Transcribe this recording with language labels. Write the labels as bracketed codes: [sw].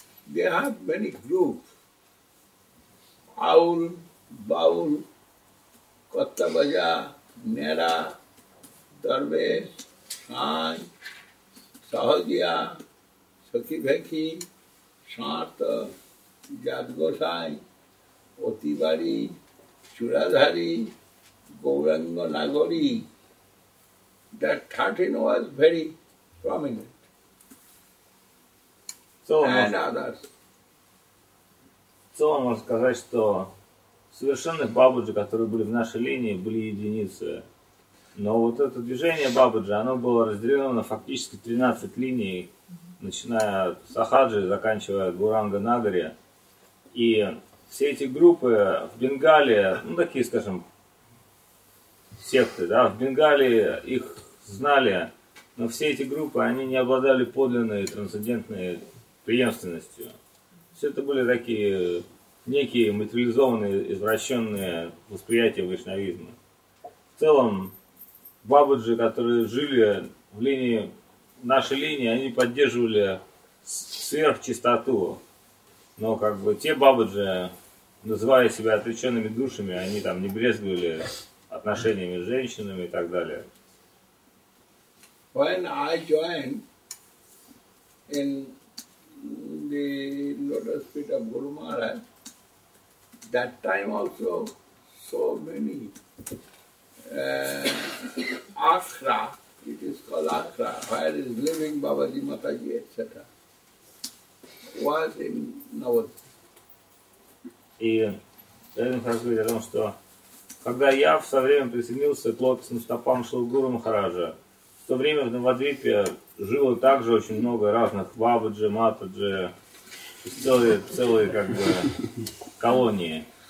[en] they have many groups. Aul, Baul, Kottabaja, Nera, Darvesh, Shai, Sahajiya, Sakibheki, Shanta, Jadgosai, Otibari, Churadhari, Gauranga Nagori. That 13 was very prominent. So and others. [ru] So можно сказать, что совершенных бабаджи, которые были в нашей линии, были единицы. Но вот это движение бабаджи, оно было разделено на фактически 13 линий, начиная от Сахаджи, заканчивая Гуранга Нагари. И все эти группы в Бенгалии, ну такие, скажем, секты, да, в Бенгалии их знали, но все эти группы, они не обладали подлинной трансцендентной преемственностью. Все это были такие некие материализованные, извращенные восприятия вайшнавизма. В целом, бабаджи, которые жили в линии нашей линии, они поддерживали сверхчистоту. Но как бы те бабаджи, называя себя отреченными душами, они там не брезгивали отношениями с женщинами и так далее. [en] When I joined in the lotus feet of Guru Maharaj, that time also, so many Akhra, it is called Akhra, where is living Babaji, Mataji, etc., was in Navadvipa. [ru] И я хочу сказать о том, что Когда я в свое время присоединился к лотосным стопам Шилгуру Махараджа, в то время в Навадвипе жило также очень много разных Бабаджи, Матаджи, целые как бы колонии.